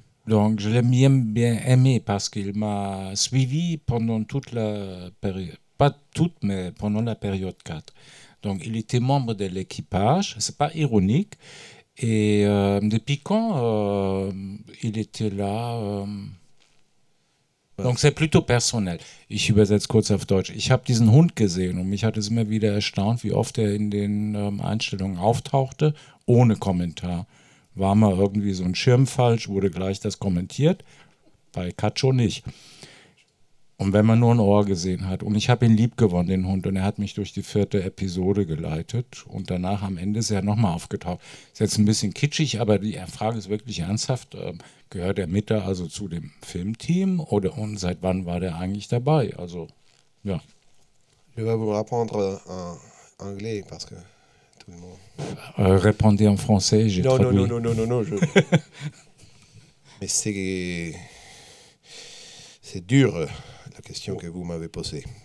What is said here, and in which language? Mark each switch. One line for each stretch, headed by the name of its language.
French: Donc, je l'ai bien aimé parce qu'il m'a suivi pendant toute la période, pas toute, mais pendant la période 4. Donc, il était membre de l'équipage, c'est pas ironique. Et depuis quand il était là Donc, c'est plutôt personnel.
German: Ich übersetze kurz auf Deutsch. Ich habe diesen Hund gesehen und mich hat es immer wieder erstaunt, wie oft er in den Einstellungen auftauchte, ohne Kommentar. War mal irgendwie so ein Schirm falsch, wurde gleich das kommentiert, bei Cacho nicht. Und wenn man nur ein Ohr gesehen hat, und ich habe ihn lieb gewonnen, den Hund, und er hat mich durch die vierte Episode geleitet, und danach am Ende ist er nochmal aufgetaucht. Ist jetzt ein bisschen kitschig, aber die Frage ist wirklich ernsthaft, gehört er mit da also zu dem Filmteam, oder und seit wann war der eigentlich dabei? Also, ja.
French: Je vais vous répondre en anglais, parce que répondez en français, j'ai traduit. Non, je... Mais c'est dur, la question que vous m'avez posée.